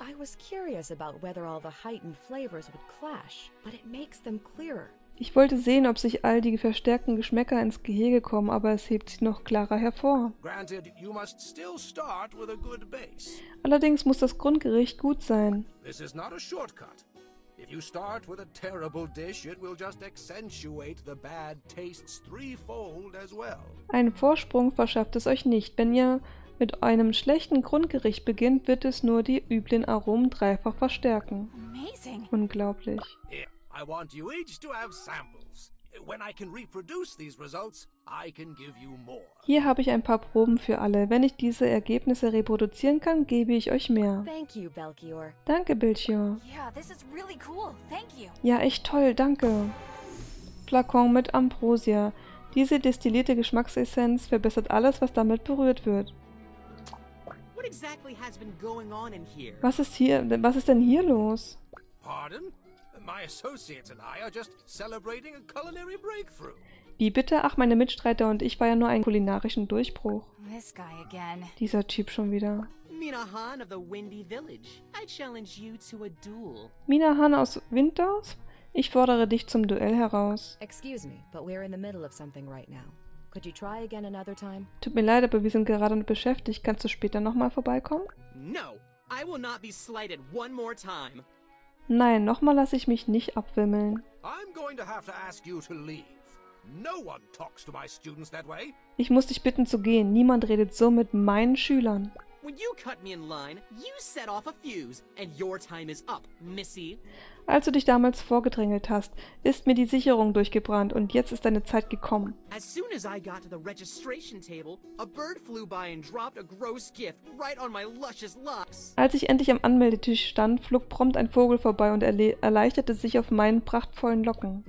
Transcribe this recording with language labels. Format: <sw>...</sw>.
<en>I was curious about whether all the heightened flavors would clash, but it makes them clearer.</en> <de>Ich wollte sehen, ob sich all die verstärkten Geschmäcker ins Gehege kommen, aber es hebt sie noch klarer hervor.</de> <en>Granted, you must still start with a good base.</en> <de>Allerdings muss das Grundgericht gut sein.</de> <en>This is not a shortcut. If you start with a terrible dish, it will just accentuate the bad tastes threefold as well.</en> <de>Einen Vorsprung verschafft es euch nicht, wenn ihr mit einem schlechten Grundgericht beginnt, wird es nur die üblen Aromen dreifach verstärken.</de> <en>Amazing.</en> <de>Unglaublich.</de> <en>Here, I want you each to have samples. When I can reproduce these results, I can give you more.</en> <de>Hier habe ich ein paar Proben für alle. Wenn ich diese Ergebnisse reproduzieren kann, gebe ich euch mehr.</de> <en>Thank you, Belchior.</en> <de>Danke, Belchior.</de> <en>Yeah, this is really cool. Thank you.</en> <de>Ja, echt toll, danke. Flakon mit Ambrosia. Diese destillierte Geschmacksessenz verbessert alles, was damit berührt wird.</de> <en>Exactly has been going on in here.</en> <de>Was ist denn hier los?</de> <en>Pardon? My associates and I are just celebrating a culinary breakthrough.</en> <de>Wie bitte? Ach, meine Mitstreiter und ich feiern nur einen kulinarischen Durchbruch.</de> <en>This guy again.</en> <de>Dieser Typ schon wieder.</de> <en>Mina Han of the Windy Village. I challenge you to a duel.</en> <de>Mina Han aus Winters? Ich fordere dich zum Duell heraus.</de> <en>Excuse me, but we're in the middle of something right now. Could you try again another time?</en> <de>Tut mir leid, aber wir sind gerade noch beschäftigt. Kannst du später nochmal vorbeikommen?</de> <en>No, I will not be slighted one more time.</en> <de>Nein, nochmal lasse ich mich nicht abwimmeln.</de> <en>I'm going to have to ask you to leave. No one talks to my students that way.</en> <de>Ich muss dich bitten zu gehen. Niemand redet so mit meinen Schülern.</de> <en>When you cut me in line, you set off a fuse, and your time is up, Missy.</en> <de>Als du dich damals vorgedrängelt hast, ist mir die Sicherung durchgebrannt und jetzt ist deine Zeit gekommen.</de> <en>As soon as I got to the registration table, a bird flew by and dropped a gross gift right on my luscious locks.</en> <de>Als ich endlich am Anmeldetisch stand, flog prompt ein Vogel vorbei und erleichterte sich auf meinen prachtvollen Locken.</de>